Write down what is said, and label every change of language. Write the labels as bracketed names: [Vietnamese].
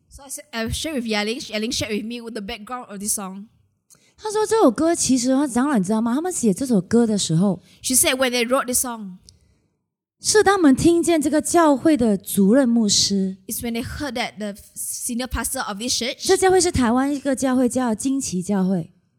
[English] So I said, I shared with Yaling, Yaling shared with me with the background of this song. [Chinese] 她说这首歌其实长老你知道吗，他们写这首歌的时候， [English] She said when they wrote this song, [Chinese] 是他们听见这个教会的主任牧师， [English] It's when they heard that the senior pastor of this church, [Chinese] 这教会是台湾一个教会叫金旗教会，